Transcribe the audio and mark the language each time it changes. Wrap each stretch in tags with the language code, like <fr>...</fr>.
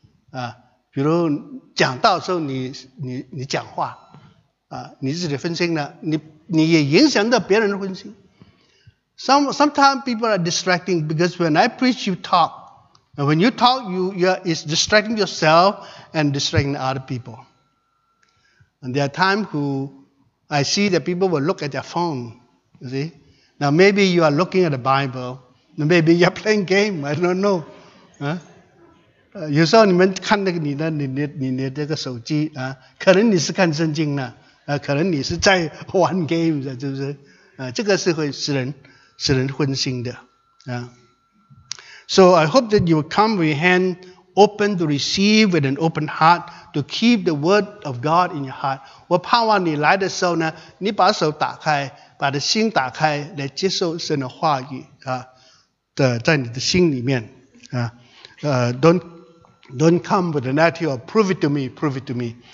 <zh>啊，比如讲到时候你讲话啊，你自己分心了，你也影响到别人的分心。</zh> <en>Sometimes people are distracting because when I preach, you talk. And when you talk, it's distracting yourself and distracting other people. And there are times who I see that people will look at their phone. You see? Now maybe you are looking at the Bible. Maybe you're playing game. I don't know.</en> <zh>有时候你们看那个你的这个手机、啊、可能你是看圣经呢、啊、可能你是在玩 game, 是不是、啊、这个是会使人分心的、啊、</zh> <en>So I hope that you will come with your hand open to receive with an open heart to keep the word of God in your heart.</en> <zh>我盼望你来的时候呢，你把手打开，把你心打开来接受神的话语啊，在你的心里面啊，</zh> <en>don't come with an attitude of prove it to me, prove it to me.</en>